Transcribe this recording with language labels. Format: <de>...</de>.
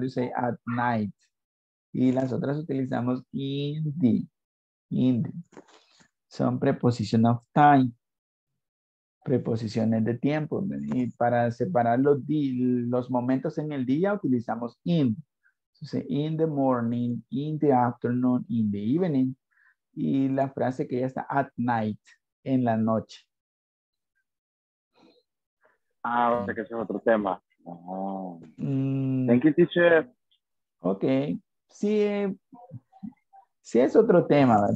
<en>You say at night.</en> <es>Y las otras utilizamos</es> <en>in the. In the.</en> <es>Son preposiciones</es> <en>of time,</en> <es>preposiciones de tiempo. Y para separar los momentos en el día utilizamos in.</es> <en>in the morning, in the afternoon, in the evening.</en> <es>Y la frase que ya está</es> <en>at night,</en> <es>en la noche. Ah, o sea que ese es otro tema.</es> <en>Oh. Thank you, teacher.</en> <es>Ok. Sí, sí es otro tema.</es>